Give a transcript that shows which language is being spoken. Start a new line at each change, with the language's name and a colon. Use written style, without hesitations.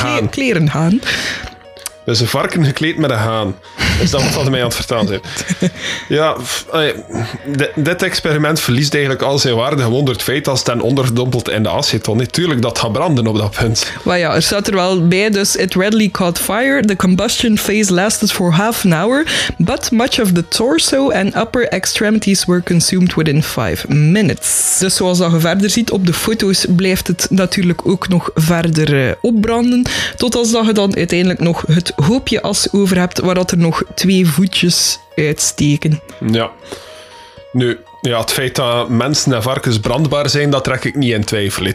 Dutch: Kleren haan. Dus een varken gekleed met een haan. Is dat wat hij mij aan het vertellen zijn? Ja, dit experiment verliest eigenlijk al zijn waarde gewoon door het feit als het dan ondergedompeld in de aceton. Natuurlijk, dat gaat branden op dat punt. Maar ja, er staat er wel bij, dus
English: it readily caught fire. The combustion phase lasted for half an hour, but much of the torso and upper extremities were consumed within 5 minutes.
Dutch: Dus zoals dat je verder ziet op de foto's, blijft het natuurlijk ook nog verder opbranden, tot als dat je dan uiteindelijk nog het hoopje as over hebt, waar dat er nog 2 voetjes uitsteken. Ja. Nu, ja, het feit dat mensen en varkens brandbaar zijn, dat trek ik niet in twijfel.